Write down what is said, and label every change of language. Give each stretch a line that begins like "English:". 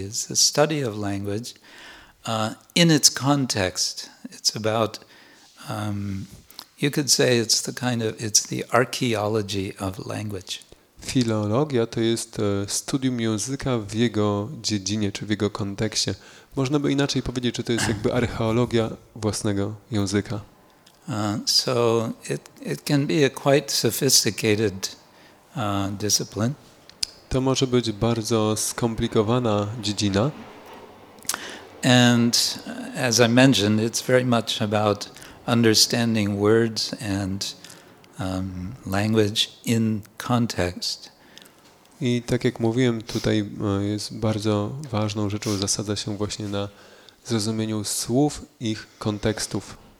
English: It's the study of language in its context. It's about, you could say it's the kind of, it's the archaeology of language.
Polish: Filologia to jest studium języka w jego dziedzinie czy w jego kontekście. Można by inaczej powiedzieć, że to jest jakby archeologia własnego języka.
English: So it can be a quite sophisticated discipline.
Polish: To może być bardzo skomplikowana dziedzina.
English: And as I mentioned, it's very much about understanding words and language in context.
Polish: I tak jak mówiłem, tutaj jest bardzo ważną rzeczą, zasadza się właśnie na zrozumieniu słów i ich kontekstów.